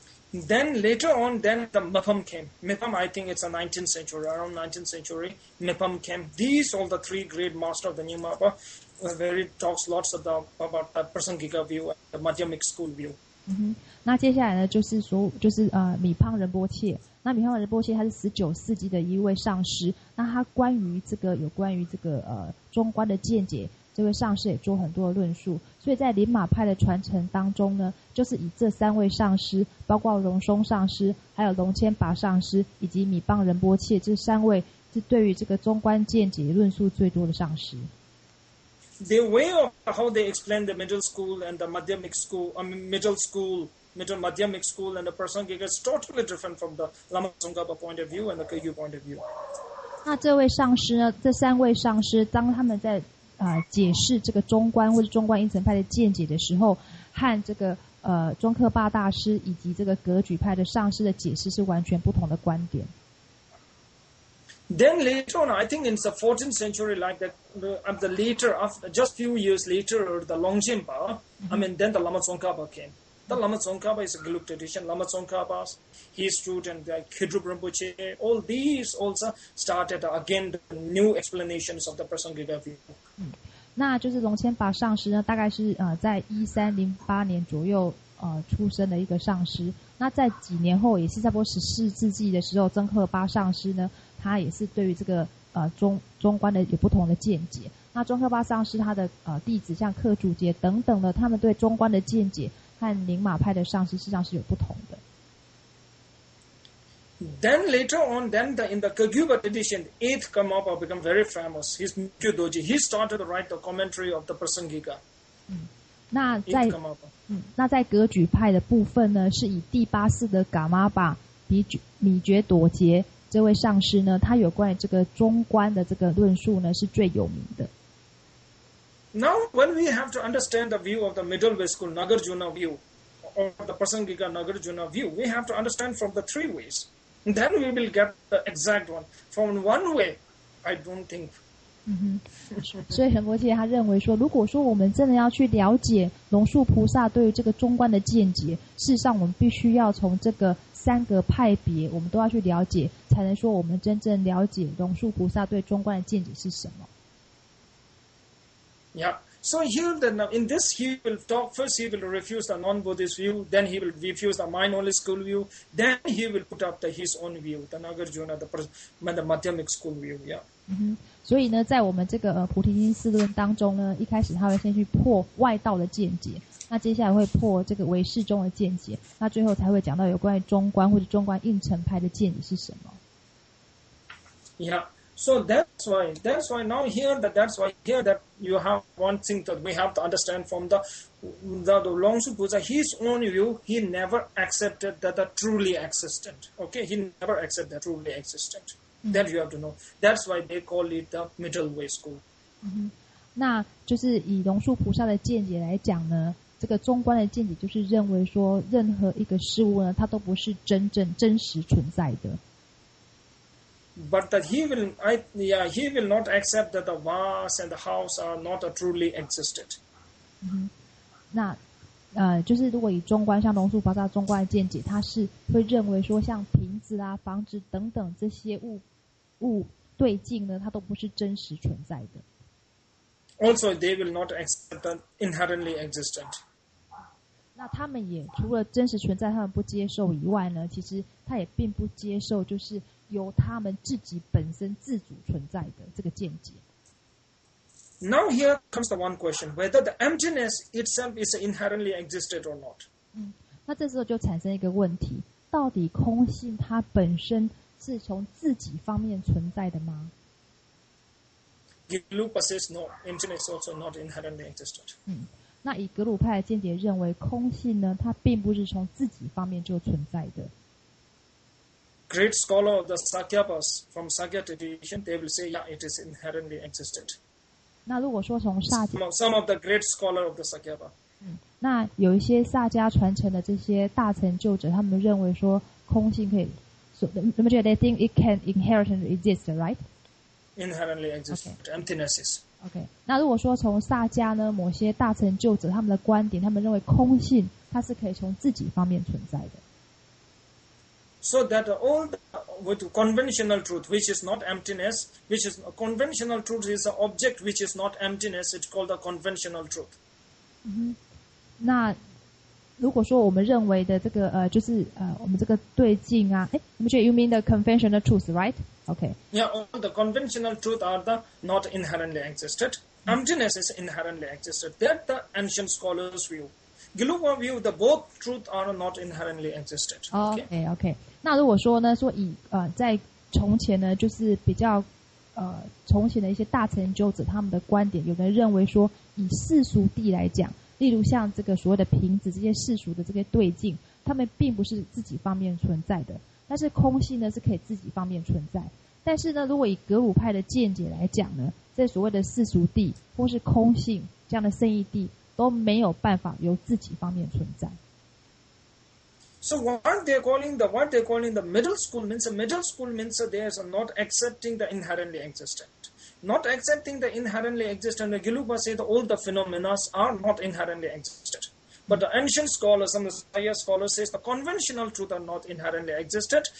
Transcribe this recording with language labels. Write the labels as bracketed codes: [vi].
[en] Then later on, then the Mipham came. Mipham, I think it's a 19th century, around 19th century, Mipham came. These all the three great masters of the Nyingmapa, where it talks lots of about the Prasangika view, the Madhyamic school view. [zh] 那接下来呢就是米胖仁波切。那米胖仁波切他是19世纪的一位上师。那他关于这个有关于这个中观的见解这位上师也做很多的论述，所以在林马派的传承当中呢，就是以这三位上师，包括龙松上师、还有龙千拔上师以及米棒仁波切这三位，是对于这个中观见解论述最多的上师。 [en] The way of how they explain the middle school and the Madhyamic school, middle Madhyamic school and the Prasangika is totally different from the Lama Tsongkhapa point of view and the Kagyu point of view. [zh] 那这位上师呢？这三位上师，当他们在解释这个中观或者中观因层派的见解的时候，和这个庄克巴大师以及这个格举派的上师的解释是完全不同的观点。 [en] Then later on, I think in the 14th century, like the later after just few years later, the Longchenpa, then the Lama Tsongkhapa came. The Lama Tsongkhapa is a Gelug tradition. Lama Tsongkhapa, his student, the Khidrup Rinpoche, all these also started again the new explanations of the Prasangika view. [zh] 那就是龙千法上师呢，大概是在1308年左右出生的一个上师。那在几年后，也是差不多14世纪的时候，曾克巴上师呢，他也是对于这个中观的有不同的见解。那曾克巴上师他的弟子像克主杰等等的，他们对中观的见解和林马派的上师事实上是有不同的。 [en] Then later on, then in the Kagyupa tradition, 8th Karmapa become very famous. His Mukyo Doji, he started to write the commentary of the Prasangika. [zh] 那在格举派的部分呢，是以第八世的噶玛巴米觉朵杰这位上师呢，他有关于这个中观的这个论述呢，是最有名的。 [en] Now, when we have to understand the view of the middle way school, Nagarjuna view, or the Prasangika Nagarjuna view, we have to understand from the three ways. Then we will get the exact one. From one way, I don't think. [zh] 所以仁波切他认为说，如果说我们真的要去了解龙树菩萨对于这个中观的见解，事实上我们必须要从这个三个派别，我们都要去了解，才能说我们真正了解龙树菩萨对中观的见解是什么。 [en] Yeah. So here, then, in this, he will talk. First, he will refuse the non-Buddhist view. Then he will refuse the mind-only school view. Then he will put up his own view, the Nagarjuna, the Madhyamic school view. Yeah. [zh] 所以呢，在我们这个菩提心四论当中呢，一开始他会先去破外道的见解，那接下来会破这个唯识中的见解，那最后才会讲到有关于中观或者中观应成派的见解是什么。 [en] Yeah, so that's why now here that that's why here that you have one thing that we have to understand from the Longsu Buddha, his own view, he never accepted that the truly existent. Okay, he never accepted the truly existent. That you have to know. That's why they call it the middle way school. [zh] 那就是以龙树菩萨的见解来讲呢，这个中观的见解就是认为说，任何一个事物呢，它都不是真正真实存在的。 [en] But that he will not accept that the vase and the house are not a truly existed. [zh] 那就是如果以中观，像龙树菩萨中观的见解，他是会认为说，像瓶子啊、房子等等这些物对境呢，它都不是真实存在的。 [en] Also, they will not accept the inherently existent. [zh] 那他们也除了真实存在他们不接受以外呢，其实他也并不接受就是由他们自己本身自主存在的这个见解。 [en] Now here comes the one question, whether the emptiness itself is inherently existent or not. [zh] 那这时候就产生一个问题，到底空性它本身是从自己方面存在的吗？ [en] Gelupa says no, emptiness also not inherently existent. [zh] 那以格鲁派的见解认为，空性呢，它并不是从自己方面就存在的。 [en] Great scholar of the Sakyabas from Sakya tradition, they will say, yeah, it is inherently existent. [zh] 那如果说从萨迦 [en] some of the great scholar of the Sakyaba, [zh] 那有一些萨迦传承的这些大成就者，他们认为说空性可以 ， [en] so the majority they think it can inherently exist, right? Inherently exist emptiness is. Okay. [zh] 那如果说从萨迦呢，某些大成就者他们的观点，他们认为空性它是可以从自己方面存在的。 [en] So that all the, with conventional truth, which is not emptiness, which is conventional truth is an object which is not emptiness. It's called a conventional truth. [zh] 那如果说我们认为的这个就是我们这个对境啊，哎，你觉得 [en] you mean the conventional truth, right? Okay. Yeah, all the conventional truth are the not inherently existed. Emptiness is inherently existed. That's the ancient scholars' view. Gelupa view, the both truth are not inherently existed. Okay, okay. [zh] 那如果说呢，说以在从前呢，就是比较从前的一些大成就者他们的观点，有的人认为说，以世俗地来讲，例如像这个所谓的瓶子这些世俗的这些对境，他们并不是自己方面存在的。但是空性呢是可以自己方面存在，但是呢，如果以格鲁派的见解来讲呢，这所谓的世俗地或是空性这样的圣意地都没有办法由自己方面存在。 [en] So what they're calling the middle school means the middle school means they are not accepting the inherently existent, not accepting the inherently existent. The Gelupa say that all the phenomena are not inherently existent. But the ancient scholars and the higher scholars say the conventional truth are not inherently existed.